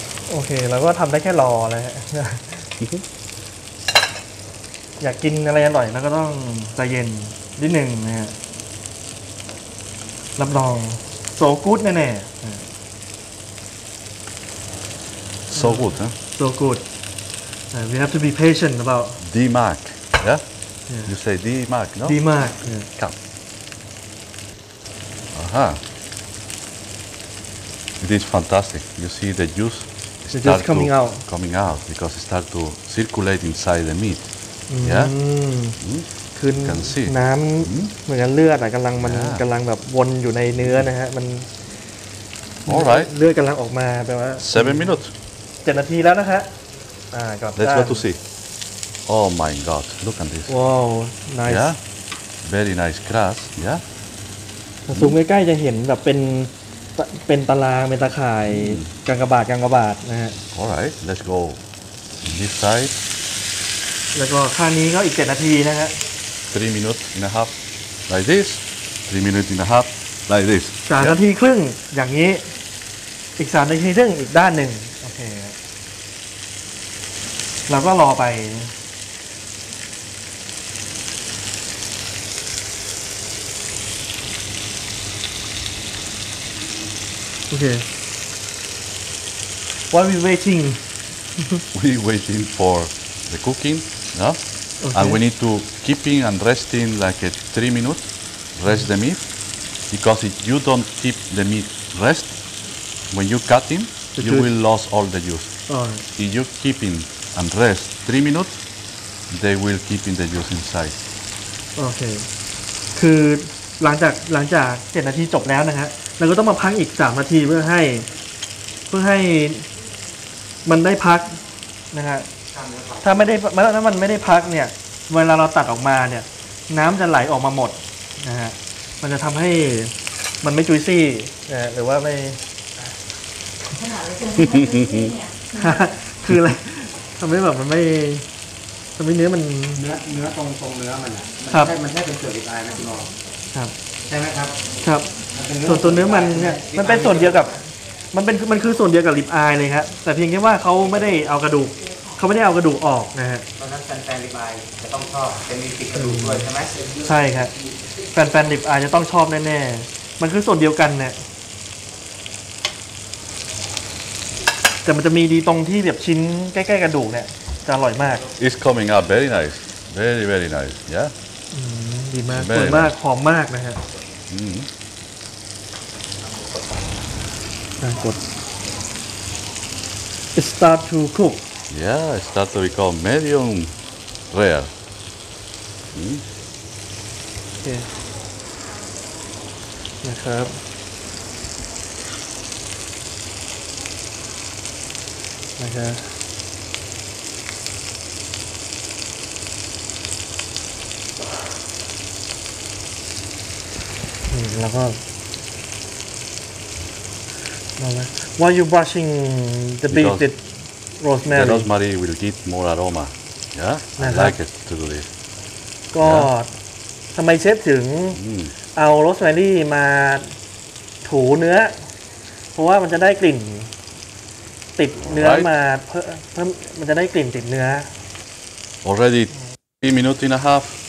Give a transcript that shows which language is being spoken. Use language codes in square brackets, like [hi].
[th] โอเคเราก็ทำได้แค่รอเลยฮะอยากกินอะไรอร่อยแล้วก็ต้องใจเย็นนิดหนึ่งนะฮะรับรอง [en] โซกูด [th] แน่ๆ [en] โซกูดฮะ โซกูดWe have to be patient about D mark, yeah? yeah. You say D mark, no? D mark, yeah. Come. Uh-huh. It is fantastic. You see the juice start coming out. Coming out because it starts to circulate inside the meat. Mm-hmm. Yeah? Mm-hmm. You can see. [th] น้ำ เหมือนกับเลือดกำลังมันกำลังแบบวนอยู่ในเนื้อนะฮะมัน [en] All right. [th] เลือดกำลังออกมาแปลว่า [en] 7 minutes. [th] 7 นาทีแล้วนะฮะ [en] Let's go to see. Oh my God! Look at this. Wow, nice. Yeah, very nice grass. Yeah. [th] ถ้าซูมใกล้ๆจะเห็นแบบเป็นตารางเป็นตะข่ายกังกะบาดนะฮะ [en] All right, let's go. This side. [th] แล้วก็ข้างนี้ก็อีก7นาทีนะฮะ [en] 3 minutes and a half. Like this. 3 minutes and a half. Like this. [th] 3 นาทีครึ่งอย่างนี้อีก3นาทีครึ่งอีกด้านหนึ่งโอเคเราก็รอไปโอเค [en] What are we waiting? We waiting for the cooking, no? Okay. And we need to keeping and resting like a 3 minutes, rest the meat, because if you don't keep the meat rest, when you cut him, you will lose all the juice. Oh. If you keeping. And rest 3 minutes, they will keep in the juice inside. Okay. [th] คือหลังจาก7นาทีจบแล้วนะฮะเราก็ต้องมาพักอีก3นาทีเพื่อให้มันได้พักนะฮะถ้าไม่ได้มันถ้ามันไม่ได้พักเนี่ยเวลาเราตัดออกมาเนี่ยน้ำจะไหลออกมาหมดนะฮะมันจะทำให้มันไม่จุยซี่นะหรือว่าไม่ คืออะไร ทำให้แบบมันไม่ทำให้เนื้อมัน เนื้อตรงเนื้อมัน ครับ มันแค่เป็นเศษอีกอายนะคุณน้อง ครับ ใช่ไหมครับ ครับส่วนตัวเนื้อมันเนี่ยมันเป็นส่วนเดียวกับมันคือส่วนเดียวกับริบอายเลยครับแต่เพียงแค่ว่าเขาไม่ได้เอากระดูกเขาไม่ได้เอากระดูกออกนะฮะ เพราะฉะนั้นแฟนๆริบอายจะต้องชอบจะมีติดกระดูกด้วยใช่ ไหม ใช่ครับแฟนๆริบอายจะต้องชอบแน่ๆมันคือส่วนเดียวกันเนี่ยแต่มันจะมีดีตรงที่แบบชิ้นใกล้ๆกระดูกเนี่ยจะอร่อยมาก [en] It's coming out very nice very very nice yeah [th] ดีมากสวยมากหอมมากนะฮะ [en] It start to cook. Yeah, it start to become medium rare. Okay. Yeah, ครับ. Okay. And then. Why are you brushing the beef? Because the rosemary. The rosemary will get more aroma. Yeah, I like it to do this. [th] ก็ทำไมเชฟถึงเอาโรสแมรี่มาถูเนื้อเพราะว่ามันจะได้กลิ่นติดเนื้อมาเพิ่มมันจะได้กลิ่นติดเนื้อ [en] Already 3 minutes and a half.